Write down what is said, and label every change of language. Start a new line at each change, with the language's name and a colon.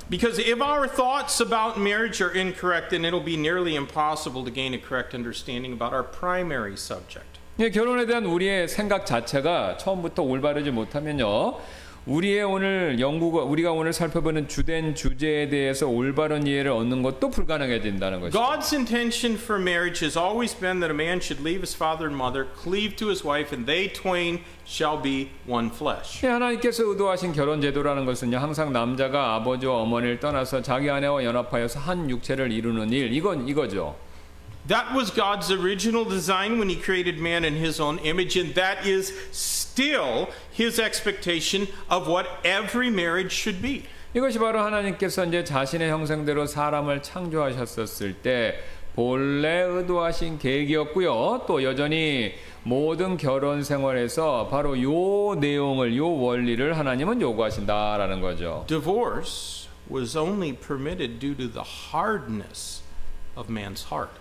English: Because if our thoughts about marriage are incorrect, then it'll be nearly impossible to gain a correct understanding about our primary subject.
Korean: 예, 결혼에 대한 우리의 생각 자체가 처음부터 올바르지 못하면요, 우리의 오늘 연구가 우리가 오늘 살펴보는 주된 주제에 대해서 올바른 이해를 얻는 것도 불가능해진다는 것이죠.
English: God's intention for marriage has always been that a man should leave his father and mother, cleave to his wife, and they twain shall be one flesh.
Korean: 예, 하나님께서 의도하신 결혼 제도라는 것은요, 항상 남자가 아버지와 어머니를 떠나서 자기 아내와 연합하여서 한 육체를 이루는 일, 이거죠.
English: That was God's original design when he created man in his own image, and that is still his expectation of what every marriage should be.
Korean: 이것이 바로 하나님께서 이제 자신의 형상대로 사람을 창조하셨었을 때 본래 의도하신 계획이었고요. 또 여전히 모든 결혼 생활에서 바로 요 내용을 요 원리를 하나님은 요구하신다라는 거죠.
English: Divorce was only permitted due to the hardness of man's heart.